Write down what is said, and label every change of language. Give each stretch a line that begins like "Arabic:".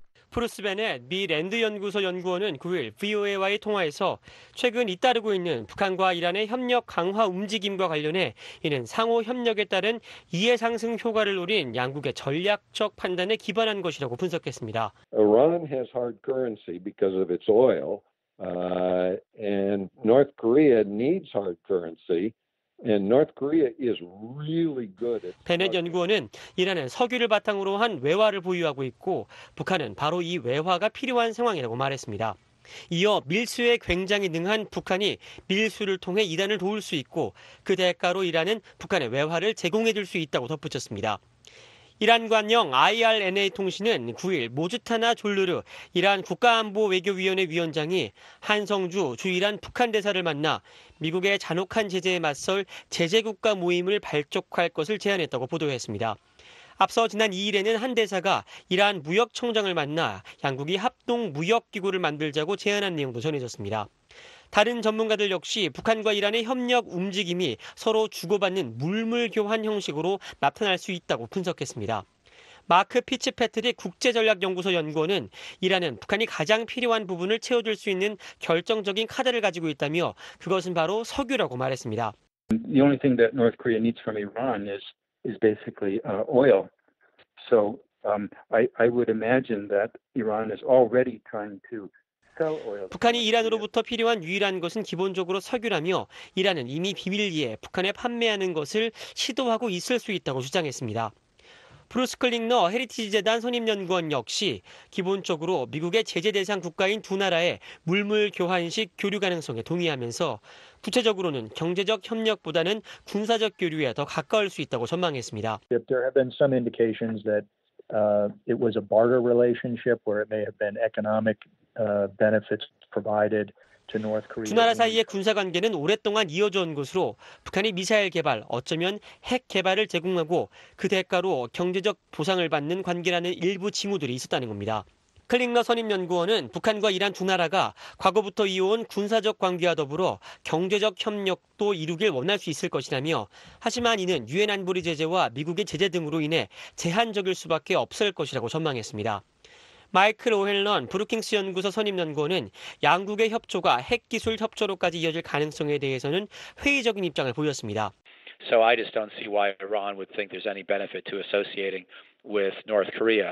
Korean: 프루스 베넷 미 랜드연구소 연구원은 9일 VOA와의 통화에서 최근 잇따르고 있는 북한과 이란의 협력 강화 움직임과 관련해 이는 상호 협력에 따른 이해 상승 효과를 노린 양국의 전략적 판단에 기반한 것이라고 분석했습니다.
English: Iran has hard currency because of its oil, and North Korea needs hard currency. And North Korea is really good at.
Korean: 베넷 연구원은 이란은 석유를 바탕으로 한 외화를 보유하고 있고 북한은 바로 이 외화가 필요한 상황이라고 말했습니다. 이어 밀수에 굉장히 능한 북한이 밀수를 통해 이란을 도울 수 있고 그 대가로 이란은 북한의 외화를 제공해 줄 수 있다고 덧붙였습니다. 이란 관영 IRNA 통신은 9일 모즈타나 졸르르 이란 국가안보외교위원회 위원장이 한성주 주 이란 북한 대사를 만나 미국의 잔혹한 제재에 맞설 제재국가 모임을 발족할 것을 제안했다고 보도했습니다. 앞서 지난 2일에는 한 대사가 이란 무역총장을 만나 양국이 합동 무역기구를 만들자고 제안한 내용도 전해졌습니다. 다른 전문가들 역시 북한과 이란의 협력 움직임이 서로 주고받는 물물교환 형식으로 나타날 수 있다고 분석했습니다. 마크 피츠패트릭 국제전략연구소 연구원은 이란은 북한이 가장 필요한 부분을 채워줄 수 있는 결정적인 카드를 가지고 있다며 그것은 바로 석유라고 말했습니다.
English: The only thing that North Korea needs from Iran is basically oil. So I would imagine that Iran is already trying to.
Korean: 북한이 이란으로부터 필요한 유일한 것은 기본적으로 석유라며 이란은 이미 비밀리에 북한에 판매하는 것을 시도하고 있을 수 있다고 주장했습니다. 브루스 클링너 헤리티지 재단 선임연구원 역시 기본적으로 미국의 제재 대상 국가인 두 나라의 물물 교환식 교류 가능성에 동의하면서 구체적으로는 경제적 협력보다는 군사적 교류에 더 가까울 수 있다고 전망했습니다.
English: There have been some indications that it was a barter relationship where it may have been economic benefits provided to North Korea.
Korean: 두 나라 사이의 군사 관계는 오랫동안 이어져 온 것으로 북한이 미사일 개발, 어쩌면 핵 개발을 제공하고 그 대가로 경제적 보상을 받는 관계라는 일부 징후들이 있었다는 겁니다. 클링너 선임연구원은 북한과 이란 두 나라가 과거부터 이어온 군사적 관계와 더불어 경제적 협력도 이루길 원할 수 있을 것이라며 하지만 이는 유엔 안보리 제재와 미국의 제재 등으로 인해 제한적일 수밖에 없을 것이라고 전망했습니다. 마이클 오헬런 브루킹스 연구소 선임연구원은 양국의 협조가 핵기술 협조로까지 이어질 가능성에 대해서는 회의적인 입장을 보였습니다.
English: So I just don't see why Iran would think there's any benefit to associating with North Korea.